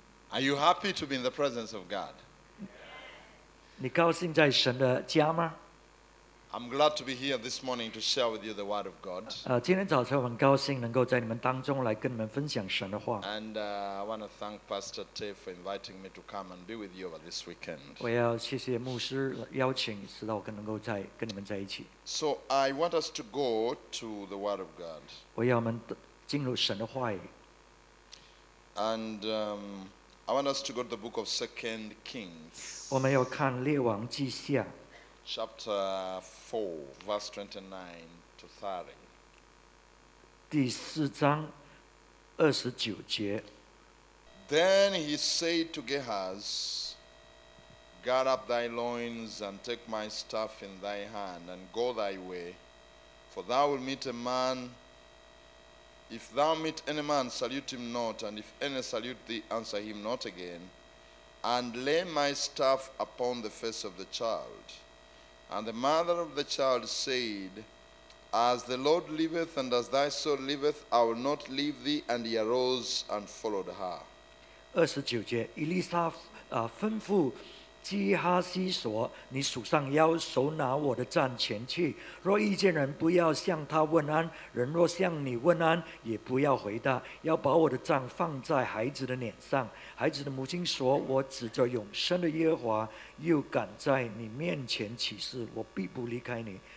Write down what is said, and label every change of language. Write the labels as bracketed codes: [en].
[en] Are you happy to be in the presence of God? [zh] 你高兴在神的家吗？ [en] I'm glad to be here this morning to share with you the word of God. [zh] 今天早晨我很高兴能够在你们当中来跟你们分享神的话。 [en] And I want to thank Pastor Tay for inviting me to come and be with you over this weekend. [zh] 我要谢谢牧师邀请使到我能够在跟你们在一起。 [en] So I want us to go to the word of God. [zh] 我要我们进入神的话语。 [en] And I want us to go to the book of 2 Kings. [zh] 我们要看列王记下。 [en] Chapter 4, verse 29 to 30. [zh] 第四章二十九节。 [en] Then he said to Gehaz, Gird up thy loins and take my staff in thy hand and go thy way, for thou wilt meet a man. If thou meet any man, salute him not, and if any salute thee, answer him not again, and lay my staff upon the face of the child. And the mother of the child said, As the Lord liveth and as thy soul liveth, I will not leave thee. And he arose and followed her. [zh] 二十九节，以利沙吩咐基哈西说，你属上腰，手拿我的杖前去。若遇见人，不要向他问安；人若向你问安，也不要回答。要把我的杖放在孩子的脸上。孩子的母亲说，我指着永生的耶和华，又敢在你面前起誓，我必不离开你。